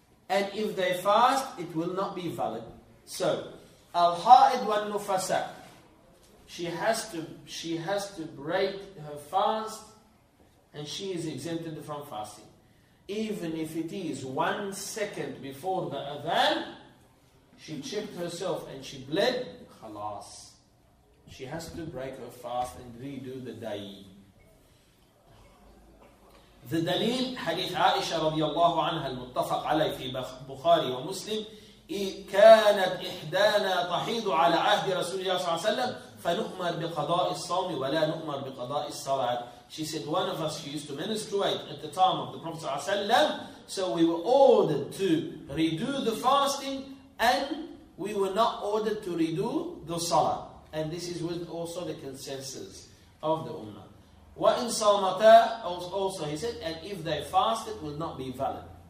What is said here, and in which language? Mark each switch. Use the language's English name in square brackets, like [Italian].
[English] And if they fast, it will not be valid. So, [Arabic] الحائض والنفساء, [English] She has to break her fast, and she is exempted from fasting. Even if it is 1 second before the adhan, she chipped herself and she bled, khalas. She has to break her fast and redo the day. The dalil, [Arabic] hadith Aisha radiallahu anha, al-muttafaq alayhi fi Bukhari wa Muslim, كانت إحدانا تحيض على عهد رسول الله صلى الله عليه وسلم فنؤمر بقضاء الصوم ولا نؤمر بقضاء الصلاة. [English] She said, one of us, she used to menstruate at the time of the Prophet [Arabic] صلى الله عليه وسلم, [English] so we were ordered to redo the fasting and we were not ordered to redo the صلاة. And this is with also the consensus of the Ummah. [Arabic] وَإِن صَامَتَا, [English] also he said, and if they fast, it will not be valid.